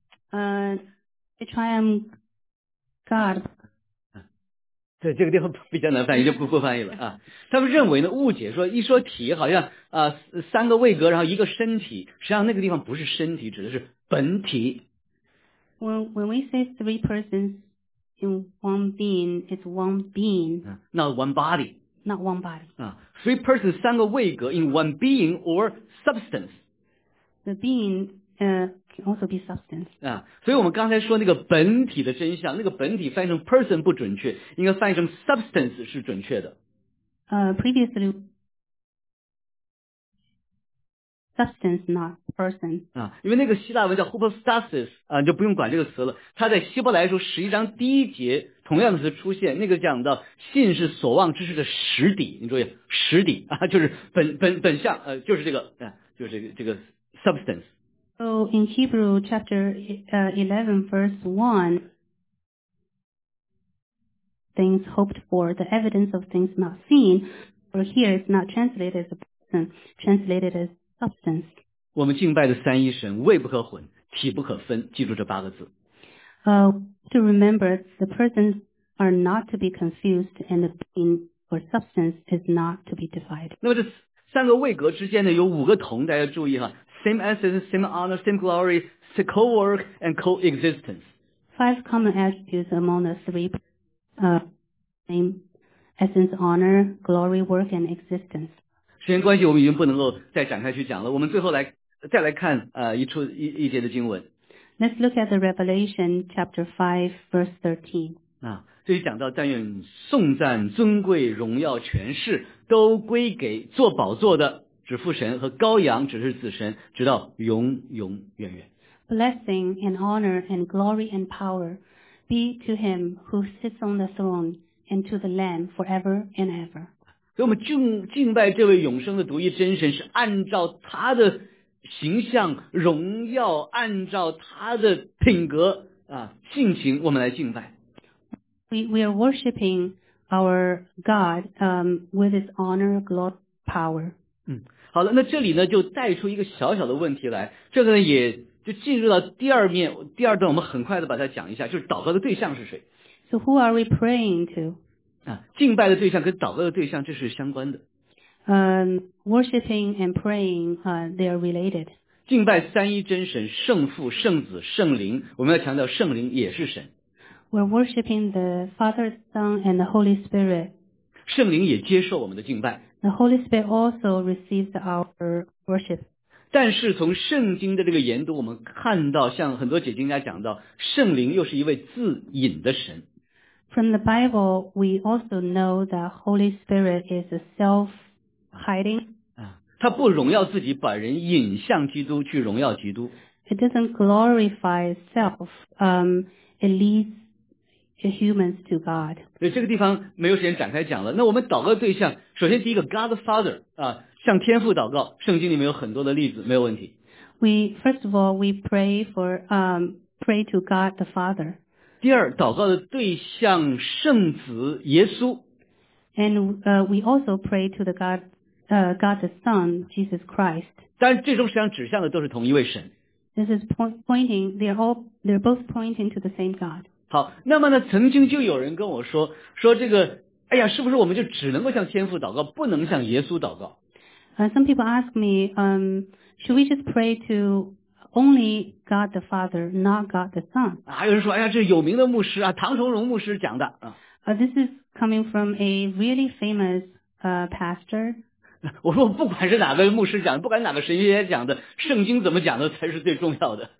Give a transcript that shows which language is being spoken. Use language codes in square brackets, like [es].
[en] The triune God. [zh] 对，这个地方比较难翻译，就不翻译了啊。他们认为呢，误解说一说体，好像三个位格，然后一个身体，实际上那个地方不是身体，指的是本体。 [en] When we say three persons in one being, it's one being. Not one body. Not one body. 啊，three persons [zh] 三个位格 [en] in one being or substance. The being. Can also be substance. [zh] 啊，所以我们刚才说那个本体的真相，那个本体翻译成 person 不准确，应该翻译成 substance 是准确的。 [en] Previously, substance not person. [zh] 啊，因为那个希腊文叫 hypostasis 啊，就不用管这个词了。它在希伯来书十一章第一节同样的词出现，那个讲到信是所望之事的实底。你注意，实底啊，就是本相，就是这个，就是这个 substance。 [en] So in Hebrew chapter 11 verse 1, things hoped for, the evidence of things not seen, for here it's not translated as a person, translated as substance. [zh] 我们敬拜的三一神，位不可混，体不可分，记住这八个字。 [en] To remember, the persons are not to be confused and the being or substance is not to be divided. [zh] 那么这三个位格之间呢，有五个同，大家注意哈。 [en] Same essence, same honor, same glory, co-work and co-existence. Five common attributes among the three, same essence, honor, glory, work and existence. [zh] 时间关系，我们已经不能够再展开去讲了。我们最后再来看一节的经文。 [en] Let's look at the Revelation chapter 5, verse 13. [zh] 啊，这里讲到，但愿颂赞、尊贵、荣耀、权势都归给坐宝座的。指父神和羔羊，只是子神，直到永永远远。 [en] Blessing and honor and glory and power be to him who sits on the throne and to the Lamb forever and ever. [zh] 所以我们敬拜这位永生的独一真神，是按照他的形象荣耀，按照他的品格啊性情，我们来敬拜。 [en] We are worshiping our God, with his honor, glory, power. [zh] 好了，那这里呢就带出一个小小的问题来，这个呢也就进入到第二面，第二段我们很快的把它讲一下，就是祷告的对象是谁。 [en] So who are we praying to? [zh] 啊，敬拜的对象跟祷告的对象这是相关的。 [en] Worshipping and praying, they are related. [zh] 敬拜三一真神，圣父、圣子、圣灵，我们要强调圣灵也是神。 [en] We're worshipping the Father, Son and the Holy Spirit. [zh] 圣灵也接受我们的敬拜。 [en] The Holy Spirit also receives our worship. [zh] 但是从圣经的这个研读，我们看到，像很多解经家讲到，圣灵又是一位自隐的神。 [en] From the Bible, we also know that Holy Spirit is a self-hiding. [zh] 啊，他不荣耀自己，把人引向基督，去荣耀基督。 [en] It doesn't glorify itself. It leads to humans to God. [zh] 对，这个地方没有时间展开讲了。那我们祷告对象，首先第一个 God Father 啊，向天父祷告，圣经里面有很多的例子，没有问题。 [en] First of all, we pray for pray to God the Father. [zh] 第二，祷告的对象圣子耶稣。 [en] And we also pray to the God God the Son Jesus Christ. [zh] 但最终实际上指向的都是同一位神。 [en] This is pointing. They're both pointing to the same God. [zh] 好，那么呢，曾经就有人跟我说这个，哎呀，是不是我们就只能够向天父祷告，不能向耶稣祷告？ [en] Some people ask me, should we just pray to only God the Father, not God the Son? [zh] 啊，有人说，哎呀，这有名的牧师啊，唐崇荣牧师讲的啊。 [en] This is coming from a really famous pastor. [zh] 我说，不管是哪个牧师讲的，不管哪个神学家讲的，圣经怎么讲的才是最重要的。